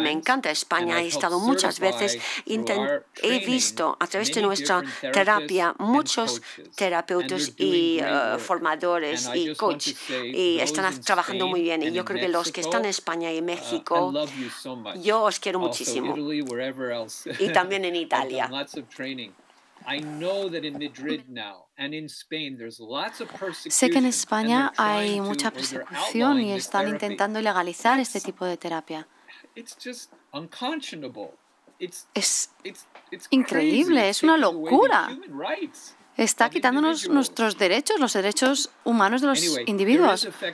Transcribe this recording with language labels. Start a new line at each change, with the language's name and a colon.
Spanish: Me encanta España, he estado muchas veces, he visto a través de nuestra terapia muchos terapeutas y formadores y coach y están trabajando muy bien. Y yo creo que los que están en España y México, yo os quiero muchísimo. Y también en Italia.
English: I know that in Madrid now and in Spain there's lots of persecution.
Spanish: Sé que en España hay mucha persecución y están intentando legalizar este tipo de terapia.
English: It's just unconscionable. It's
Spanish: increíble, es una locura. Está quitándonos nuestros derechos, los derechos humanos de los individuos.